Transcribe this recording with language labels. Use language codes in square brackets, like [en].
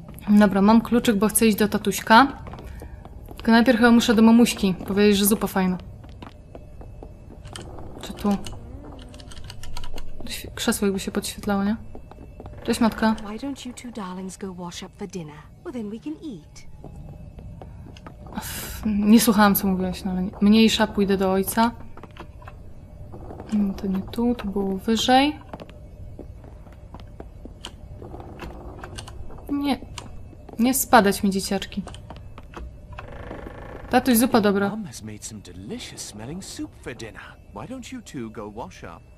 [pl] Dobra, mam kluczyk, bo chcę iść do tatuśka. Tylko najpierw chyba muszę do mamuśki. Powiedzieć, że zupa fajna. Czy tu? Krzesło jakby się podświetlało, nie? Cześć, matka. [en] Why don't you two darlings go wash up for dinner? Well, then we can eat. [pl] Nie słuchałam, co mówiłaś, no, ale mniejsza, pójdę do ojca. To nie tu, to było wyżej. Nie. Nie spadać mi, dzieciaczki. Tatuś, zupa dobra. [en] Mom has made some delicious smelling soup for dinner. Why don't you two go wash up?